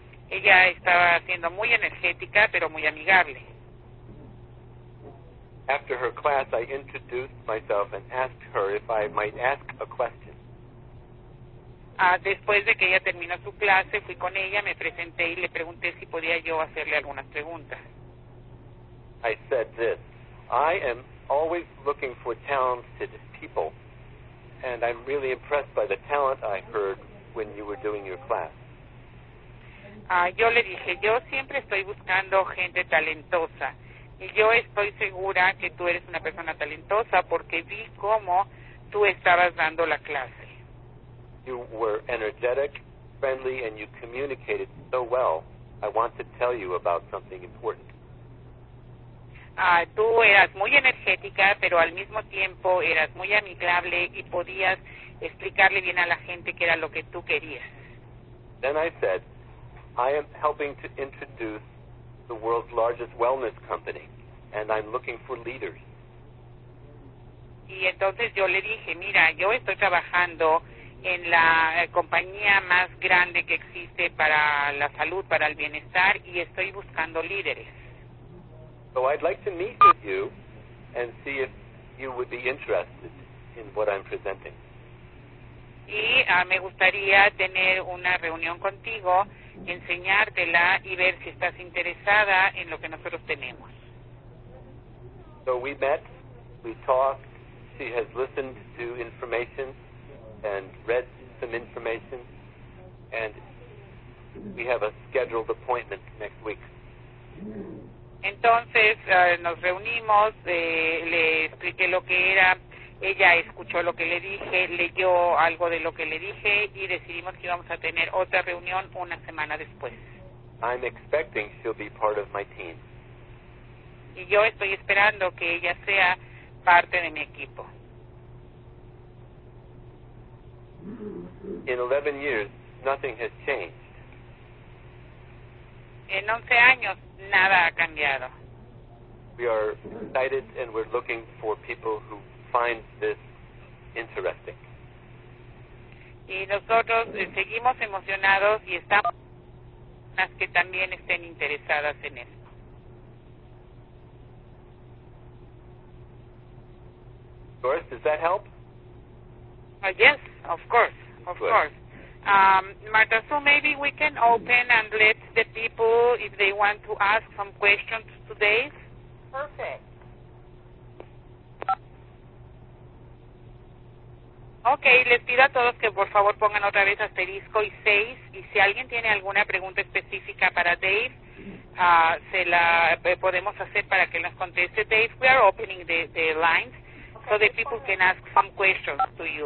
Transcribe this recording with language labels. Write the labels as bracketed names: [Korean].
[Spanish] Ella estaba siendo muy energética, pero muy amigable. [English] After her class, I introduced myself and asked her if I might ask a question. [Spanish] Después de que ella terminó su clase, fui con ella, me presenté y le pregunté si podía yo hacerle algunas preguntas. [English] I said this, I am always looking for talented people, and I'm really impressed by the talent I heard when you were doing your class. [Spanish] Yo le dije, yo siempre estoy buscando gente talentosa, y yo estoy segura que tú eres una persona talentosa porque vi cómo tú estabas dando la clase. [English] You were energetic, friendly, and you communicated so well. I want to tell you about something important. [Spanish] Tú eras muy energética, pero al mismo tiempo eras muy amigable y podías explicarle bien a la gente qué era lo que tú querías. [English] Then I said, I am helping to introduce the world's largest wellness company, and I'm looking for leaders. [Spanish] Y entonces yo le dije, mira, yo estoy trabajando en la compañía más grande que existe para la salud, para el bienestar, y estoy buscando líderes. [English] So I'd like to meet with you and see if you would be interested in what I'm presenting. [Spanish] Y me gustaría tener una reunión contigo, enseñártela y ver si estás interesada en lo que nosotros tenemos. [English] So we met, we talked, she has listened to information and read some information, and we have a scheduled appointment next week. [Spanish] Entonces, nos reunimos, le expliqué lo que era, ella escuchó lo que le dije, leyó algo de lo que le dije, y decidimos que íbamos a tener otra reunión una semana después. [English] I'm expecting she'll be part of my team. [Spanish] Y yo estoy esperando que ella sea parte de mi equipo. [English] In 11 years, nothing has changed. [Spanish] En 11 años, nada ha cambiado. [English] We are excited and we're looking for people who find this interesting. [Spanish] Y nosotros seguimos emocionados y estamos las que también estén interesadas en esto. [English] Doris, does that help? Yes, of course, of good. Course. Marta, so maybe we can open and let the people, if they want to ask some questions today. Perfect. [Spanish] Okay, les pido a todos que por favor pongan otra vez asterisco y 6, y si alguien tiene alguna pregunta específica para Dave, podemos hacer para que nos conteste. [English] Dave, we are opening the lines. So that people can ask some questions to you.